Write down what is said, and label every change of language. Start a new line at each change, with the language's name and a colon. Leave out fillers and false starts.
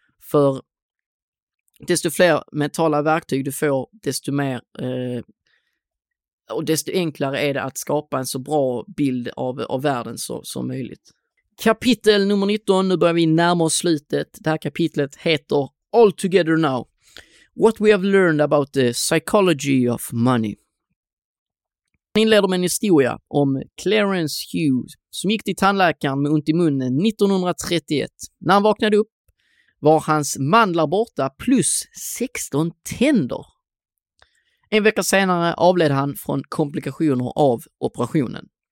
Swedish: För desto fler mentala verktyg du får, desto mer och desto enklare är det att skapa en så bra bild av världen som möjligt. Kapitel nummer 19, nu börjar vi närma oss slutet. Det här kapitlet heter All Together Now.
English: What we have learned about the psychology of money.
Swedish: Han inleder med en historia om Clarence Hughes som gick till tandläkaren med ont i munnen 1931. När han vaknade upp var hans mandlar borta plus 16 tänder. En vecka senare avled han från komplikationer av operationen.